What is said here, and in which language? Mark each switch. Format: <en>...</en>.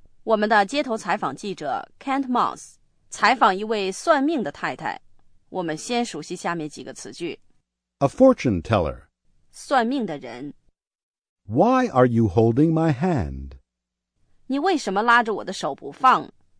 <zh>我们的街头采访记者 Kent Moss 采访一位算命的太太。我们先熟悉下面几个词句。</zh> <en>A fortune teller.</en> <zh>算命的人。</zh> <en>Why are you holding my hand?</en> <zh>你为什么拉着我的手不放?</zh>